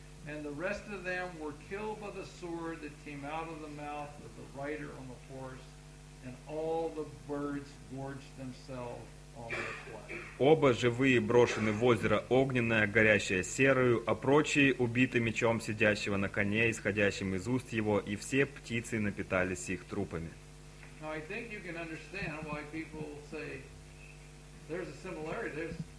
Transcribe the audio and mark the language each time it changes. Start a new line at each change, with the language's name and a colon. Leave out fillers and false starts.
English: And the rest of them were killed by the sword that came out of the mouth of the rider on the horse, and all the birds gorged themselves on their flesh.
Russian: Оба живые брошены в озеро огненное, горящее серою, а прочие убиты мечом сидящего на коне, исходящим из уст его, и все птицы напитались их трупами.
English: Now I think you can understand why people say there's a similarity.